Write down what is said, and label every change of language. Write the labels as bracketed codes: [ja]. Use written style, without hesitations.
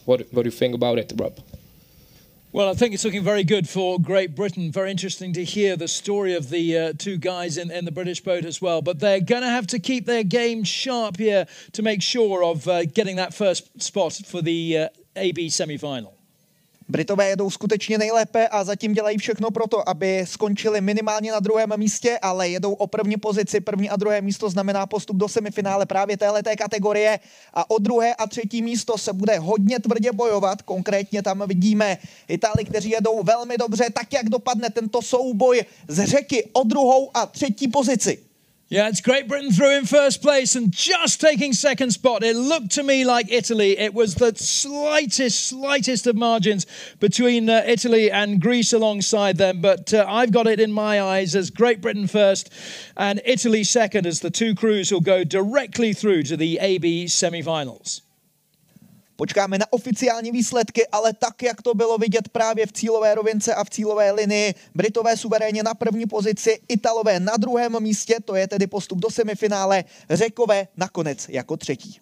[en] What do you think about it, Rob? Well, I think it's looking very good for Great Britain. Very interesting to hear the story of the 2 guys in the British boat as well. But they're going to have to keep their game sharp here to make sure of getting that first spot for the AB semi-final. [cs] Britové jedou skutečně nejlépe a zatím dělají všechno pro to, aby skončili minimálně na 2. místě, ale jedou o první pozici. 1. a 2. místo znamená postup do semifinále právě téhleté kategorie a o 2. a 3. místo se bude hodně tvrdě bojovat. Konkrétně tam vidíme Itály, kteří jedou velmi dobře, tak jak dopadne tento souboj z Řeky o 2. a 3. pozici. [en] Yeah, it's Great Britain through in first place and just taking second spot. It looked to me like Italy. It was the slightest of margins between Italy and Greece alongside them. But I've got it in my eyes as Great Britain first and Italy second as the 2 crews will go directly through to the AB semifinals. [cs] Počkáme na oficiální výsledky, ale tak, jak to bylo vidět právě v cílové rovince a v cílové linii, Britové suverénně na 1. pozici, Italové na 2. místě, to je tedy postup do semifinále, Řekové nakonec jako 3.